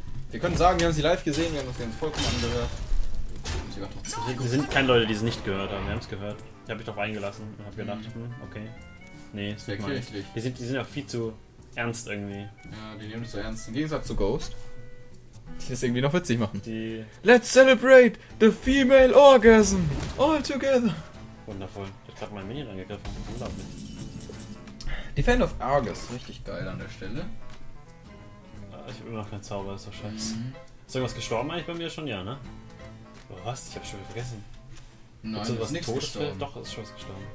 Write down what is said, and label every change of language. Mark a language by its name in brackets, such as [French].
[German] Wir können sagen, wir haben sie live gesehen, wir haben das ganz vollkommen angehört. Sie sind keine Leute, die es nicht gehört haben. Wir haben es gehört. Die habe ich drauf eingelassen und habe gedacht, okay. Nee, ist nicht mal. Die sind auch viel zu ernst irgendwie. Ja, die nehmen es so ernst. Im Gegensatz zu Ghost. Das irgendwie noch witzig machen. Die [English] Let's celebrate the female orgasm all together. [German] Wundervoll. Jetzt hat mein Minion angegriffen. Unglaublich. Defend of Argus. Richtig geil an der Stelle. Ich hab immer noch keinen Zauber. Ist doch scheiße. Ist irgendwas gestorben eigentlich bei mir schon? Ja, ne? Was? Ich hab's schon wieder vergessen. Nein, ist nichts gestorben. Doch, ist schon was gestorben.